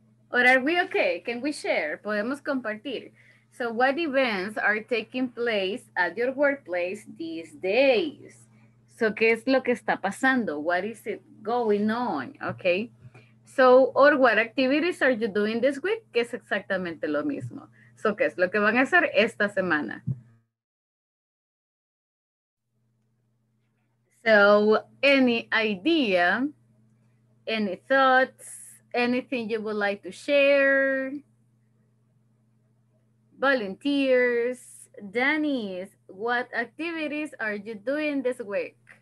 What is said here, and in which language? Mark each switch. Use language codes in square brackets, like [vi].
[en] Or are we okay? Can we share? [es] ¿Podemos compartir? [en] So what events are taking place at your workplace these days? So [es] ¿qué es lo que está pasando? [en] What is it going on? Okay. So, or what activities are you doing this week? [es] Que es exactamente lo mismo. So, ¿qué es lo que van a hacer esta semana? [en] So, any idea, any thoughts, anything you would like to share? Volunteers, Dennis, what activities are you doing this week?